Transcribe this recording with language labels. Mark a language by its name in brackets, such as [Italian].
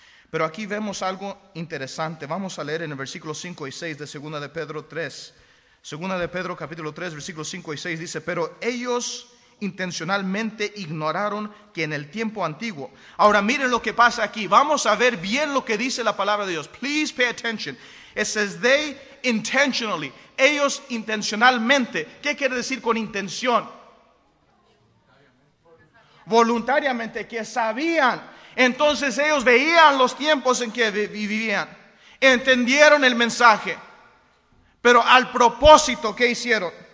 [Spanish] Pero aquí vemos algo interesante. Vamos a leer en el versículo 5 y 6 de 2 de Pedro 3. 2 de Pedro capítulo 3, versículo 5 y 6 dice, pero ellos intencionalmente ignoraron que en el tiempo antiguo. Ahora miren lo que pasa aquí. Vamos a ver bien lo que dice la palabra de Dios. [English] Please pay attention. It says they intentionally. [Spanish] Ellos intencionalmente. ¿Qué quiere decir con intención? Voluntariamente, que sabían. Entonces ellos veían los tiempos en que vivían. Entendieron el mensaje. Pero al propósito, ¿qué hicieron?